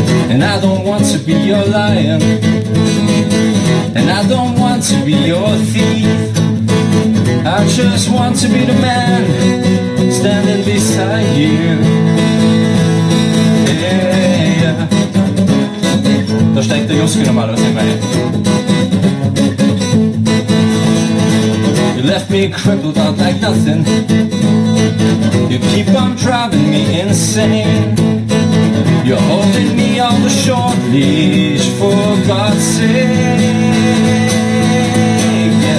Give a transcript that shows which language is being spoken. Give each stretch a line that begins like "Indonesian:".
English: And I don't want to be your lion. And I don't want to be your thief. I just want to be the man standing beside you. Yeah.
German: Da steckt der Juske nochmal aus dem Ei.
English: You left me crippled out like nothing. You keep on driving me insane. You're holding me on the short leash, for God's sake.